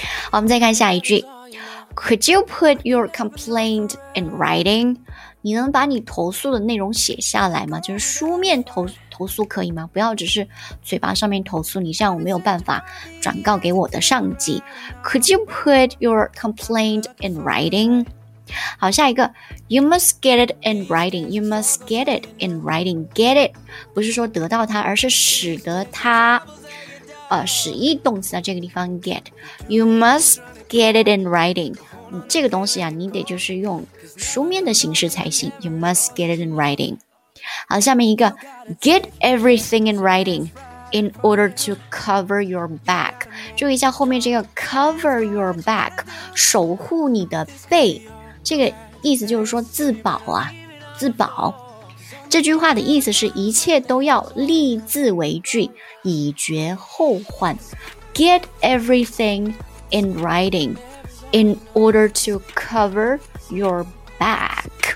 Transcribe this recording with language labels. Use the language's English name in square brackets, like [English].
[English] 好， [Chinese] 我们再看下一句。 [English] Could you put your complaint in writing? [Chinese] 你能把你投诉的内容写下来吗？就是书面投诉可以吗？不要只是嘴巴上面投诉，你这样我没有办法转告给我的上级。 [English] Could you put your complaint in writing? 好，下一个 You must get it in writing. You must get it in writing. Get it [Chinese] 不是说得到它，而是使得它使役动词的这个地方 [English] get. You must get it in writing. [Chinese] 这个东西啊，你得就是用书面的形式才行。 [English] You must get it in writing. 好， [Chinese] 下面一个 [English] Get everything in writing in order to cover your back. [Chinese] 注意一下后面这个 cover your back， 守护你的背，这个意思就是说自保啊，自保。这句话的意思是一切都要立字为据，以绝后患。 [English] Get everything in writing in order to cover your back.